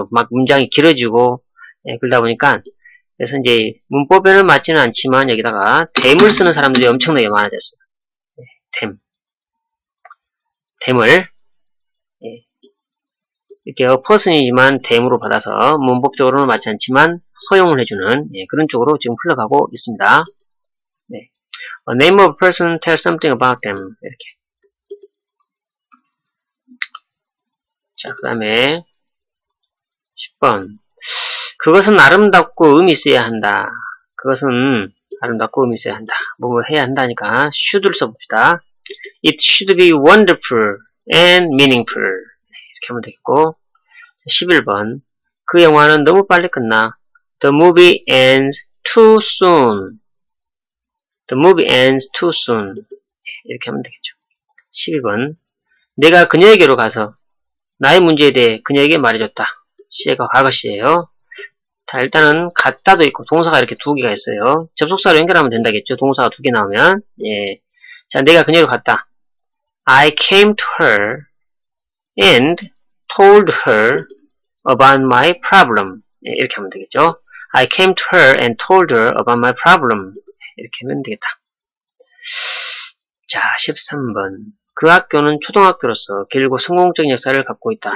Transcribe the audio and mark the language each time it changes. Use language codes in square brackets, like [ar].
[ko] 막 문장이 길어지고, 그러다 보니까, 그래서 이제 문법에는 맞지는 않지만 여기다가 댐을 쓰는 사람들이 엄청나게 많아졌어요. 댐을 이렇게 퍼슨이지만 댐으로 받아서 문법적으로는 맞지 않지만 허용을 해주는 그런 쪽으로 지금 흘러가고 있습니다. [en] A name of a person tell something about them [ko] 이렇게. 자, 그 다음에 10번. 그것은 아름답고 의미 있어야 한다. 그것은 아름답고 의미 있어야 한다. 뭔가 해야 한다니까 should를 써봅시다. [en] It should be wonderful and meaningful. [ko] 이렇게 하면 되겠고. 11번. 그 영화는 너무 빨리 끝나. [en] The movie ends too soon. The movie ends too soon. [ko] 이렇게 하면 되겠죠. 12번. 내가 그녀에게로 가서 나의 문제에 대해 그녀에게 말해줬다. 시제가 과거시예요. 자, 일단은 갔다도 있고 동사가 이렇게 두 개가 있어요. 접속사로 연결하면 된다겠죠. 동사가 두 개 나오면. 예. 자, 내가 그녀를 갔다. [en] I came to her and told her about my problem. [ko] 예, 이렇게 하면 되겠죠. [en] I came to her and told her about my problem. [ko] 이렇게 하면 되겠다. 자, 13번. 그 학교는 초등학교로서 길고 성공적인 역사를 갖고 있다.